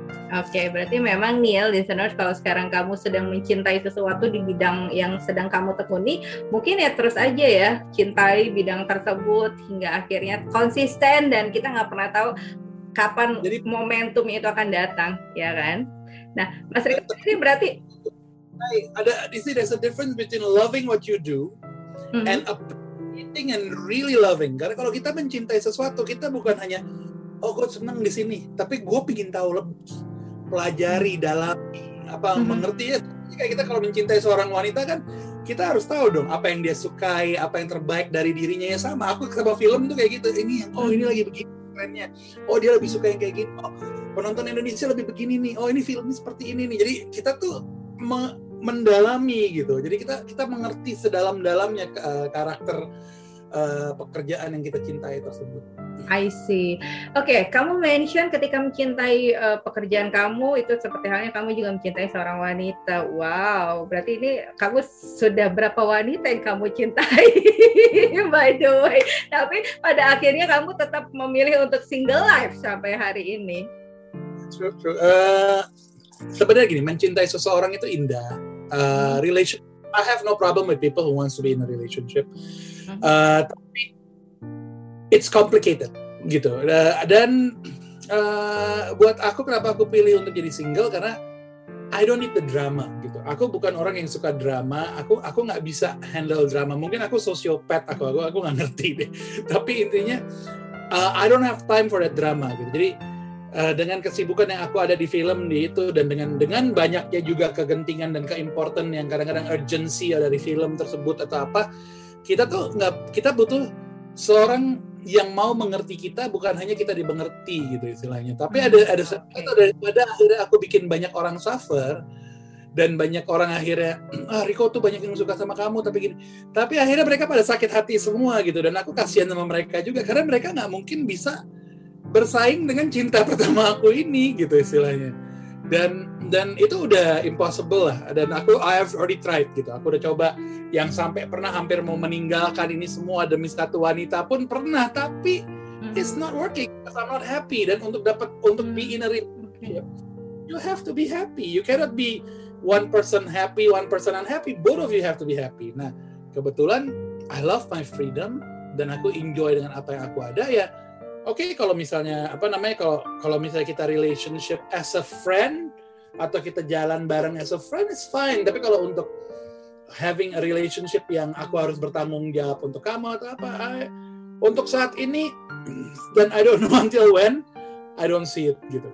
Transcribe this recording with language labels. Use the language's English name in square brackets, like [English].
[Indonesian] Oke, berarti memang nih ya listeners, kalau sekarang kamu sedang mencintai sesuatu di bidang yang sedang kamu tekuni, mungkin ya terus aja ya, cintai bidang tersebut hingga akhirnya konsisten, dan kita nggak pernah tahu kapan jadi momentum itu akan datang, ya kan? Nah, Mas Rico, ini berarti... [English] There's a difference between loving what you do and appreciating and really loving. [Indonesian] Karena kalau kita mencintai sesuatu, kita bukan hanya, oh gue senang di sini, tapi gue pengin tahu lebih. Pelajari, dalami, apa mengerti ya. Jadi kayak kita kalau mencintai seorang wanita kan, kita harus tahu dong apa yang dia sukai, apa yang terbaik dari dirinya. Ya sama, aku sama film tuh kayak gitu, ini oh ini lagi begini trennya, oh dia lebih suka yang kayak gini, oh penonton Indonesia lebih begini nih, oh ini filmnya seperti ini nih. Jadi kita tuh mendalami gitu, jadi kita mengerti sedalam-dalamnya karakter pekerjaan yang kita cintai tersebut. [English] I see. [Indonesian] Oke, kamu mention ketika mencintai pekerjaan kamu itu seperti halnya kamu juga mencintai seorang wanita. Wow, berarti ini kamu sudah berapa wanita yang kamu cintai? [English] By the way, [Indonesian] tapi pada akhirnya kamu tetap memilih untuk [English] single life [Indonesian] sampai hari ini. [English] True. [Indonesian] Sebenarnya gini, mencintai seseorang itu indah. [English] Relation, I have no problem with people who wants to be in a relationship. [Indonesian] Tapi [English] it's complicated, [Indonesian] gitu. Dan buat aku, kenapa aku pilih untuk jadi single, karena [English] I don't need the drama, [Indonesian] gitu. Aku bukan orang yang suka drama. Aku nggak bisa handle drama. Mungkin aku sociopath, aku nggak ngerti deh. Tapi intinya, [English] I don't have time for that drama, gitu. [Indonesian] Jadi dengan kesibukan yang aku ada di film di itu, dan dengan banyaknya juga kegentingan dan keimportant yang kadang-kadang urgency dari film tersebut atau apa, kita butuh seorang yang mau mengerti kita, bukan hanya kita dimengerti gitu istilahnya. Tapi ada satu, daripada akhirnya aku bikin banyak orang suffer dan banyak orang akhirnya Rico tuh banyak yang suka sama kamu tapi gini. Tapi akhirnya mereka pada sakit hati semua gitu, dan aku kasihan sama mereka juga karena mereka enggak mungkin bisa bersaing dengan cinta pertama aku ini gitu istilahnya. Dan itu udah impossible lah, dan aku [English] I have already tried [Indonesian] gitu. Aku udah coba yang sampai pernah hampir mau meninggalkan ini semua demi satu wanita pun pernah, tapi [English] it's not working because I'm not happy. [Indonesian] Dan untuk [English] be in a relationship, you have to be happy. You cannot be one person happy, one person unhappy. Both of you have to be happy. [Indonesian] Nah, kebetulan [English] I love my freedom [Indonesian] dan aku enjoy dengan apa yang aku ada ya. Oke, okay, kalau misalnya apa namanya, kalau misalnya kita relationship [English] as a friend [Indonesian] atau kita jalan bareng [English] as a friend is fine. [Indonesian] Tapi kalau untuk [English] having a relationship [Indonesian] yang aku harus bertanggung jawab untuk kamu atau apa, untuk saat ini dan [English] I don't know until when, I don't see it [Indonesian] gitu.